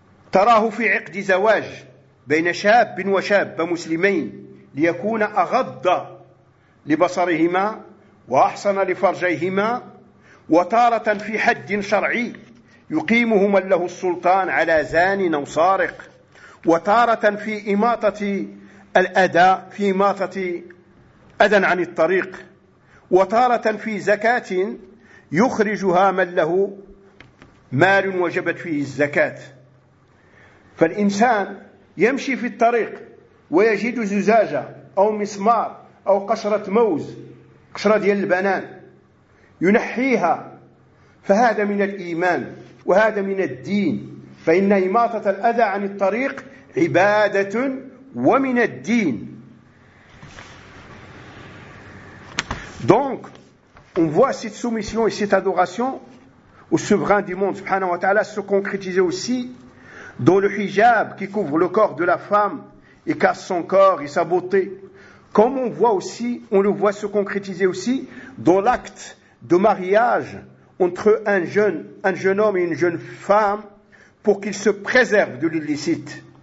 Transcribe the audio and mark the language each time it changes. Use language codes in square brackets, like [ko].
[ar] tarahu fi 'iqdi zawaj bayna shabin wa shab muslimayn liyakuna aghadda li basarihima wa ahsana li farjayhima وتارة في حد شرعي يقيمه من له السلطان على زان أو سارق، وتارة في إماطة الأداء في إماطة أدى عن الطريق، وتارة في زكاة يخرجها من له مال وجبت فيه الزكاة. فالإنسان يمشي في الطريق ويجد زجاجة أو مسمار أو قشرة موز، قشرة ديال البنان، ينحيها، فهذا من الإيمان وهذا من الدين، فإن إماطة الأذى عن الطريق عبادة ومن الدين. [fr] Donc on voit cette soumission et cette adoration au souverain du monde subhanahu wa ta'ala se concrétiser aussi dans le hijab qui couvre le corps de la femme et casse son corps et sa beauté, comme on le voit se concrétiser aussi dans l'acte de mariage entre un jeune homme et une jeune femme pour qu'ils se préservent de l'illicite,